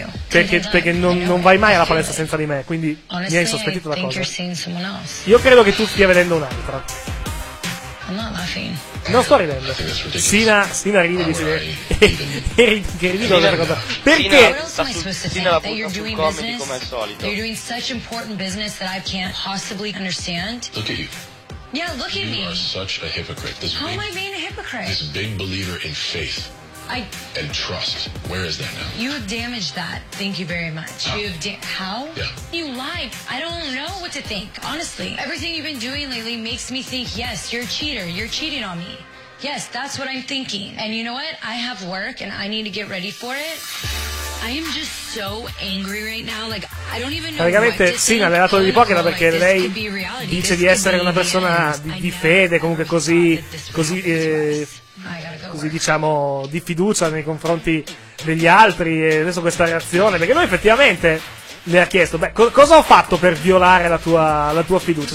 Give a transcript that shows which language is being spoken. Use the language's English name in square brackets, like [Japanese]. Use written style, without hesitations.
[Italian] Perché non vai mai alla palestra senza di me, quindi mi hai sospettito la cosa. Io credo che tu stia vedendo un'altra. Non sto ridendo. Cena ride, dice. Che ridico questa cosa. Perché? Cena la butta sul comedy come al solito. [English] You're doing such important business that I can't possibly understand. Yeah, look at me. You are such a hypocrite. How am I being a hypocrite? This big believer in faith and trust. Where is that now? You have damaged that. Thank you very much. How? Yeah. You lied. I don't know what to think. Honestly, everything you've been doing lately makes me think, yes, you're a cheater. You're cheating on me. Yes, that's what I'm thinking. And you know what? I have work and I need to get ready for it. I am just so angry right now. Like, I don't even know. [Italian] Praticamente, sì, ma le ha dato di poche, perché lei dice di essere una persona di fede, comunque così, così, così diciamo, di fiducia nei confronti degli altri. E adesso questa reazione, perché lui effettivamente le ha chiesto: beh, cosa ho fatto per violare la tua fiducia?